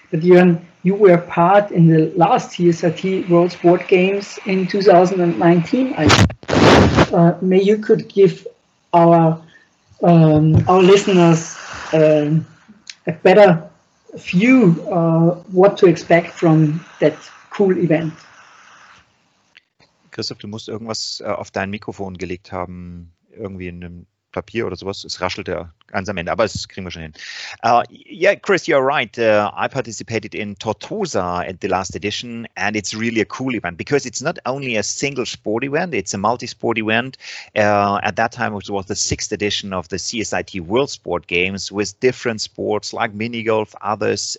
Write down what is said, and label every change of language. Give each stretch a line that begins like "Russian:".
English: But Jörn, you were part in the last CSRT World Sport Games in 2019. May you could give our listeners a better view what to expect from that cool event.
German: Christoph, du musst irgendwas auf dein Mikrofon gelegt haben, irgendwie in einem Papier oder sowas. Es raschelt ja ganz am Ende, aber das kriegen wir schon hin.
English: Yeah, Chris, you're right. I participated in Tortosa at the last edition, and it's really a cool event because it's not only a single sport event, it's a multi-sport event. At that time, it was the sixth edition of the CSIT World Sport Games with different sports like mini golf, others.